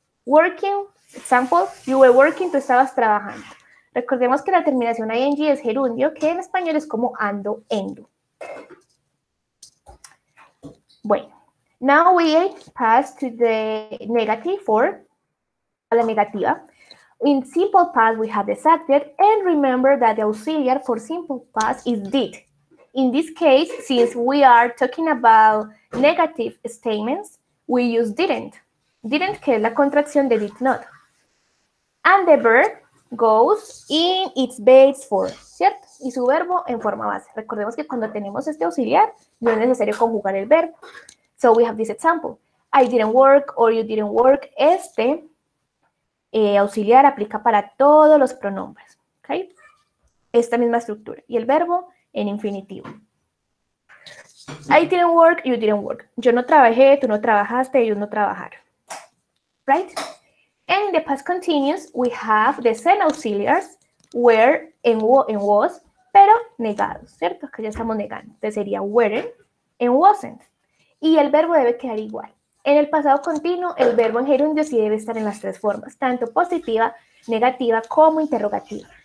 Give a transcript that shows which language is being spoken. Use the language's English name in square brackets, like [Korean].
[English] Working, example, you were working, [Spanish] tú estabas trabajando. Recordemos que la terminación ing es gerundio, que en español es como ando, endo. [English] Bueno, now we pass to the negative for [Spanish] la negativa. [English] In simple past, we have the subject, and remember that the auxiliary for simple past is did. In this case, since we are talking about negative statements, we use didn't. Didn't, [Spanish] que es la contracción de [English] did not. And the verb goes in its base form, ¿cierto? [Spanish] Y su verbo en forma base. Recordemos que cuando tenemos este auxiliar, no es necesario conjugar el verbo. [English] So we have this example. I didn't work, or you didn't work. Este [Spanish] auxiliar aplica para todos los pronombres. ¿Okay? Esta misma estructura. Y el verbo en infinitivo. [English] I didn't work, you didn't work. [Spanish] Yo no trabajé, tú no trabajaste, ellos no trabajaron. [English] Right? And in the past continuous, we have the same auxiliars, were and was, [Spanish] pero negados, ¿cierto? Que ya estamos negando. Entonces sería [English] weren't and wasn't. [Spanish] Y el verbo debe quedar igual. En el pasado continuo, el verbo en gerundio sí debe estar en las tres formas, tanto positiva, negativa, como interrogativa.